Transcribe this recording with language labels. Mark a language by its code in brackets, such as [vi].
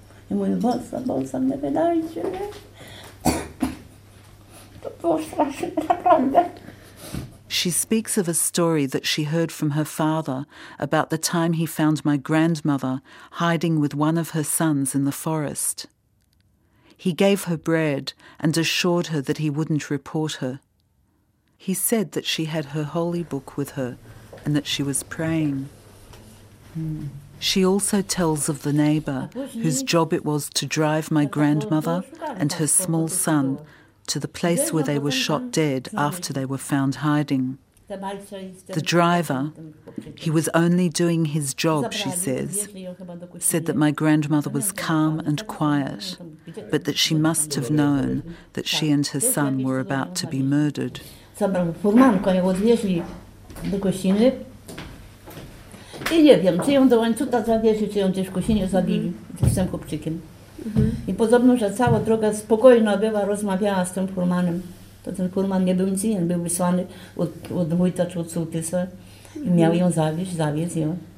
[pl] I mówi, bolsa, nie wydajcie mnie. To było straszne, naprawdę. [en] She speaks of a story that she heard from her father about the time he found my grandmother hiding with one of her sons in the forest. He gave her bread and assured her that he wouldn't report her. He said that she had her holy book with her and that she was praying. She also tells of the neighbor whose job it was to drive my grandmother and her small son to the place where they were shot dead after they were found hiding. The driver, he was only doing his job, she said that my grandmother was calm and quiet, but that she must have known that she and her son were about to be murdered. [pl] Zabrał furmanko, ją odwieźli do Kosiny i nie wiem, czy ją do łańcuta zawieźli, czy ją gdzieś w Kosinie zabili z tym chłopczykiem. I podobno, że cała droga spokojna była, rozmawiała z tym furmanem. To ten furman nie był nic inny, był wysłany od wójta czy od sołtysa i miał ją zawieźć ją.